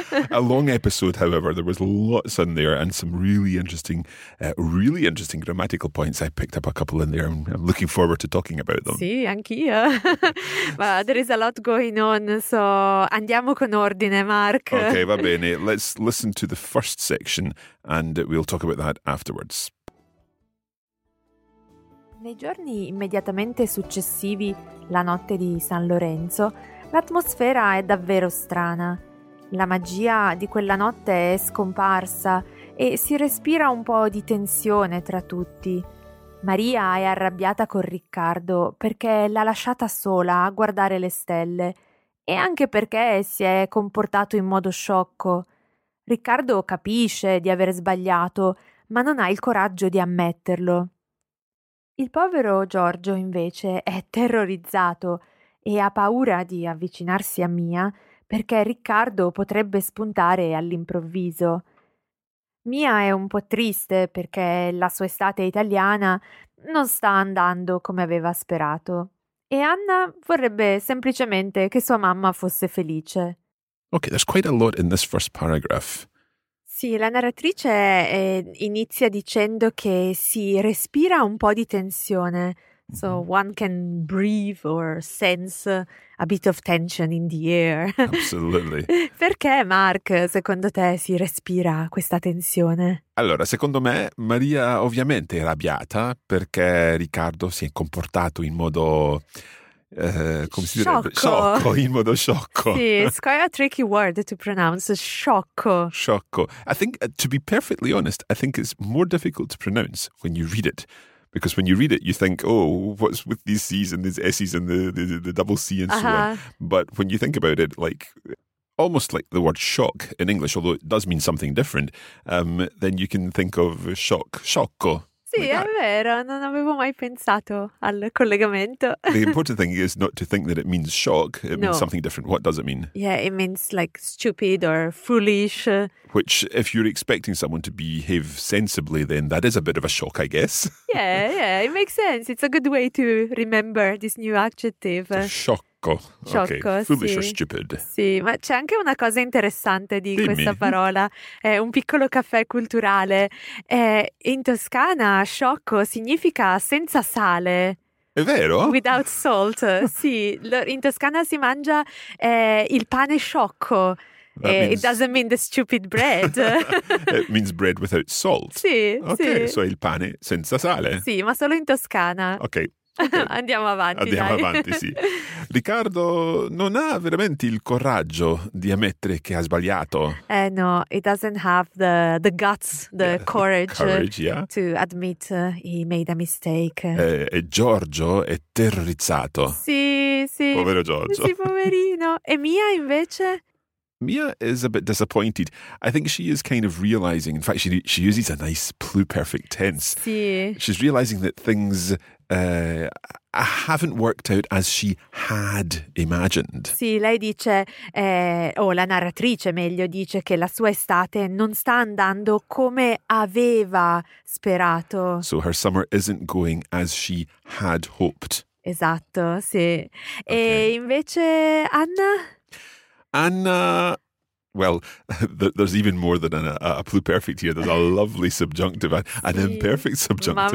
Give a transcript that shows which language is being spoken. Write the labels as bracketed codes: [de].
[en] A long episode, however, there was lots in there and some really interesting grammatical points. I picked up a couple in there. I'm looking forward to talking about them. [it] Sì, anch'io. [en] But there is a lot going on, so [it] andiamo con ordine, [en] Mark. [it] Okay, va bene. [en] Let's listen to the first section and we'll talk about that afterwards. [it] Nei giorni immediatamente successivi la notte di San Lorenzo, l'atmosfera è davvero strana. La magia di quella notte è scomparsa e si respira un po' di tensione tra tutti. Maria è arrabbiata con Riccardo perché l'ha lasciata sola a guardare le stelle e anche perché si è comportato in modo sciocco. Riccardo capisce di aver sbagliato, ma non ha il coraggio di ammetterlo. Il povero Giorgio, invece, è terrorizzato e ha paura di avvicinarsi a Mia perché Riccardo potrebbe spuntare all'improvviso. Mia è un po' triste perché la sua estate italiana non sta andando come aveva sperato e Anna vorrebbe semplicemente che sua mamma fosse felice. [en] Ok, there's quite a lot in this first paragraph. [it] Sì, la narratrice inizia dicendo che si respira un po' di tensione, [en] So one can breathe or sense a bit of tension in the air. Absolutely. [it] Perché, Mark, secondo te si respira questa tensione? Allora, secondo me, Maria ovviamente è arrabbiata perché Riccardo si è comportato in modo... come si sciocco. Direbbe? Sciocco, in modo sciocco. [en] Sì, it's quite a tricky word to pronounce, sciocco. [it] Sciocco. [en] I think, to be perfectly honest, I think it's more difficult to pronounce when you read it. Because when you read it, you think, oh, what's with these C's and these S's and the double C and so on. But when you think about it, like, almost like the word shock in English, although it does mean something different, then you can think of shock, sciocco. [it] Sì, like è vero, non avevo mai pensato al collegamento. [en] The important thing is not to think that it means shock, it no. means something different. What does it mean? Yeah, it means like stupid or foolish. Which, if you're expecting someone to behave sensibly, then that is a bit of a shock, I guess. Yeah, yeah, it makes sense. It's a good way to remember this new adjective. [it] Sciocco. Sciocco, [en] okay. [it] Sì. [en] Foolish or stupid. [it] Sì, ma c'è anche una cosa interessante di Dimmi. Questa parola. È un piccolo caffè culturale. In Toscana, sciocco significa senza sale. È vero? [en] Without salt, sì. [it] In Toscana si mangia il pane sciocco. [en] It doesn't mean the stupid bread. It means bread without salt. [it] Sì, [en] okay, [it] sì. Ok, so il pane senza sale. Sì, ma solo in Toscana. [en] Ok. Okay. [it] Andiamo avanti, Andiamo dai. Avanti, sì. Riccardo non ha veramente il coraggio di ammettere che ha sbagliato. [en] No, he doesn't have the guts, the courage, to admit he made a mistake. [it] E Giorgio è terrorizzato. Sì, sì. Povero Giorgio. Sì, poverino. E Mia invece? [en] Mia is a bit disappointed. I think she is kind of realizing, in fact, she uses a nice pluperfect tense. [it] Sì. [en] She's realizing that things haven't worked out as she had imagined. [it] Sì, lei dice, la narratrice meglio dice che la sua estate non sta andando come aveva sperato. [en] So her summer isn't going as she had hoped. [it] Esatto, sì. [en] Okay. [it] E invece Anna? [en] Anna, well, there's even more than a pluperfect here. There's a lovely subjunctive, an [it] sì. [en] imperfect subjunctive.